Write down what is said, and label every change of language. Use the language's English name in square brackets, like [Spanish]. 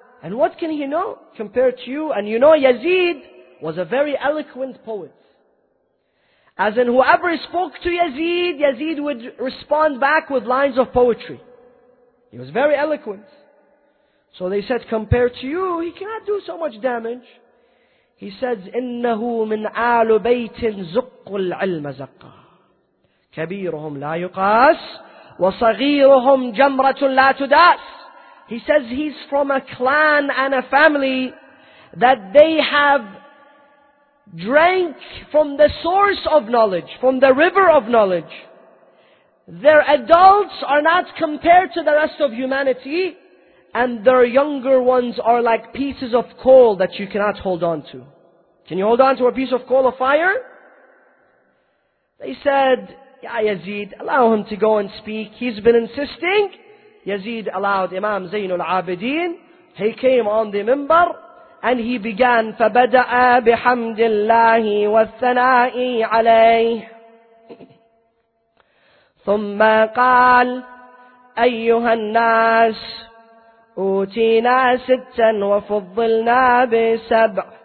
[English] And what can he know compared to you? And you know Yazid was a very eloquent poet. As in whoever spoke to Yazid, Yazid would respond back with lines of poetry. He was very eloquent. So they said, compared to you, he cannot do so much damage. He says, [Arabic] إِنَّهُ مِنْ آلُ بَيْتٍ زُقُّ الْعِلْمَ زَقَّهُ كَبِيرُهُمْ لَا يُقَاسُ وَصَغِيرُهُمْ جَمْرَةٌ لَا تُدَاسُ. [English] He says he's from a clan and a family that they have drank from the source of knowledge, from the river of knowledge. Their adults are not compared to the rest of humanity, and their younger ones are like pieces of coal that you cannot hold on to. Can you hold on to a piece of coal of fire? They said, Ya Yazid, allow him to go and speak. He's been insisting. Yazid allowed Imam Zainul Abidin. He came on the minbar and he began, [Arabic] فَبَدَأَ بِحَمْدِ اللَّهِ وَالثَّنَاءِ عَلَيْهِ ثُمَّ قَالَ أَيُّهَا النَّاسِ أوتينا ستا وفضلنا بسبع